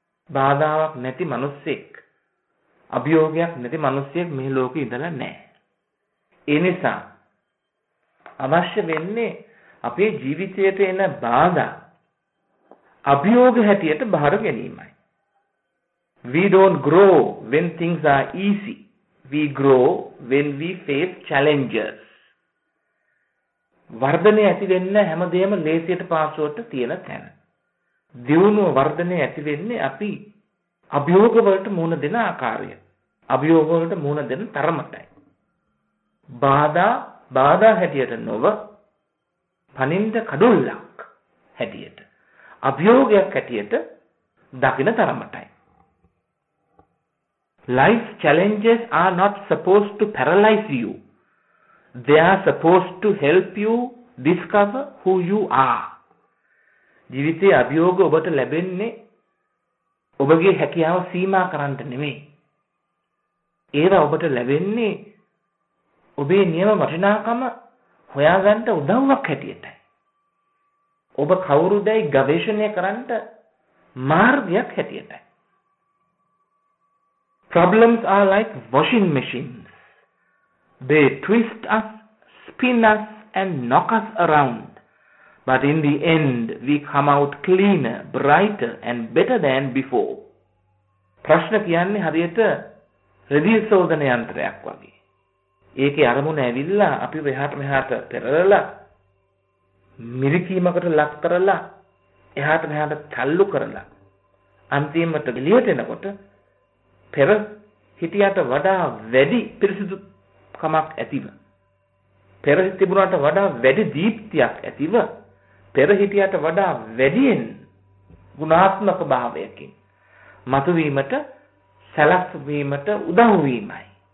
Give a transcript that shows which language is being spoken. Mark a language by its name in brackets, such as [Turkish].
[Sinhala] බාධාවක් නැති මිනිස්සෙක්, අභියෝගයක් නැති මිනිස්සෙක් මේ ලෝකෙ ඉඳලා නැහැ. ඒ නිසා අවශ්‍ය වෙන්නේ අපේ ජීවිතයට එන බාධා අභියෝග හැටියට බාර ගැනීමයි. [English] We don't grow when things are easy. We grow when we face challenges. [Sinhala] වර්ධනය ඇති වෙන්න හැමදේම ලේසියට පාසුවට තියෙන තැන. දියුණුව වර්ධනය ඇති වෙන්නේ අපි අභියෝග වලට මුහුණ දෙන ආකාරය. අභියෝග වලට මුහුණ දෙන තරමටයි. බාධා බාධා හැටියට නොව පනින්ද කඩුල්ලක් හැටියට, අභියෝගයක් හැටියට දකින තරමටයි. [English] Life challenges are not supposed to paralyze you. They are supposed to help you discover who you are. [Sinhala] ජීවිතයේ අභියෝග ඔබට ලැබෙන්නේ ඔබගේ හැකියාව සීමා කරන්න නෙමෙයි. ඒවා ඔබට ලැබෙන්නේ ඔබේ නියම වටිනාකම හොයාගන්න උදව්වක් හැටියටයි. ඔබ කවුරුදයි ගවේෂණය කරන්න මාර්ගයක් හැටියටයි. [English] Problems are like washing machines. They twist us, spin us, and knock us around. But in the end, we come out cleaner, brighter, and better than before. [Sinhala] ප්‍රශ්න කියන්නේ හරියට හෘදය ශෝධන යන්ත්‍රයක් වගේ. ඒකේ අරමුණ ඇවිල්ලා අපි මෙහාට මෙහාට පෙරලලා මිරිකීමකට ලක් කරලා එහාට මෙහාට තල්ලු කරලා අන්තිමට එළියට එනකොට පෙර හිටියට වඩා වැඩි පිරිසිදු කමක් ඇතිව, පෙර තිබුණාට වඩා වැඩි දීප්තියක් ඇතිව, පෙර හිටියට වඩා වැඩියෙන් ගුණාත්මක භාවයකින් මතුවීමට සැලැස්වීමට උදව් වීමයි.